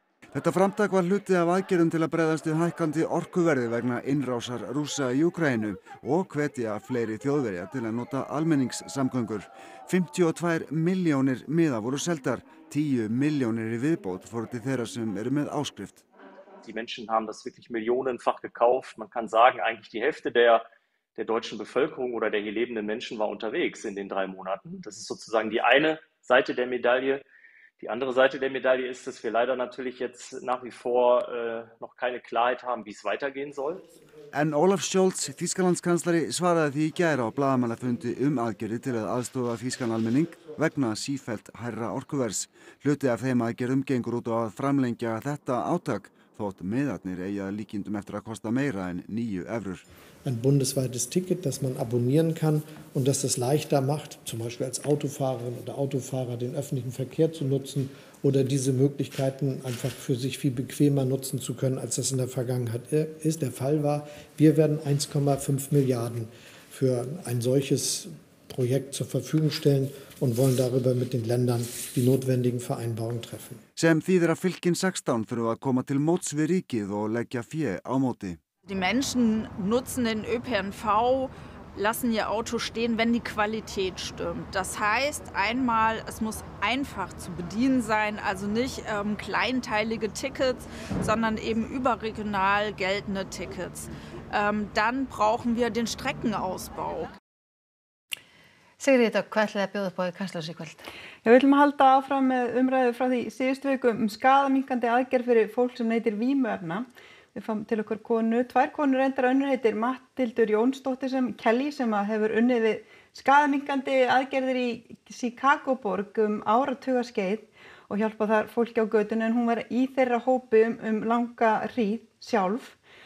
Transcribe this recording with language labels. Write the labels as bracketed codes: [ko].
[is] Þetta framtak var hluti af aðgerðum til að bregðast við hækkandi orkuverði vegna innrásar Rússa í Úkraínu og hvetja fleiri þjóðverja til að nota almenningssamgöngur. 52 milljónir miða voru seldar, 10 milljónir í viðbót fóru til þeirra sem eru með áskrift. [de] Die Menschen haben das wirklich millionenfach gekauft. Man kann sagen, eigentlich die Hälfte der deutschen Bevölkerung oder der hier lebenden Menschen war unterwegs in den 3 Monaten. Das ist sozusagen die eine Seite der Medaille. Die andere Seite der Medaille ist, dass wir leider natürlich jetzt nach wie vor noch keine Klarheit haben, wie es weitergehen soll. [is] En Olaf Scholz, Þýskalandskanslari, svaraði því í gær á blaðamannafundi aðgerði til að aðstoða þýskan almenning vegna sífellt hærra orkuverðs. Hluti af þeim aðgerðum gengur út á að framlengja þetta átak, þótt miðarnir eiga líkindum eftir að kosta meira en 9 evrur. [de] Ein bundesweites Ticket, das man abonnieren kann und das es leichter macht, zum Beispiel als Autofahrerin oder Autofahrer den öffentlichen Verkehr zu nutzen oder diese Möglichkeiten einfach für sich viel bequemer nutzen zu können, als das in der Vergangenheit ist. Der Fall war, wir werden 1,5 Milliarden für ein solches Projekt zur Verfügung stellen und wollen darüber mit den Ländern die notwendigen Vereinbarungen treffen. [is] Sem þýðir að fylkin 16 þurfa að koma til móts við ríkið og leggja fé á móti. [de] Die Menschen nutzen den ÖPNV lassen ihr Auto stehen, wenn die Qualität stimmt. Das heißt einmal, es muss einfach zu bedienen sein, also nicht kleinteilige Tickets, sondern eben überregional geltende Tickets. Dann brauchen wir den Streckenausbau. [is] Sigrid, hvað ætlaði að bjóða upp á í Kastljósi í kvöld? Ég vil halda áfram með umræðu frá því síðustu viku skaðaminnkandi aðgerð fyrir fólk sem neytir vímuefna. Við fáum til okkur konu, tvær konur reyndar önnur heitir Matthildur Jónsdóttir sem Kelly sem hefur unnið við skaðaminnkandi aðgerðir í Chicago borg áratuga skeið og hjálpa þar fólki á götunum en hún var í þeirra hópi langa hríð sjálf.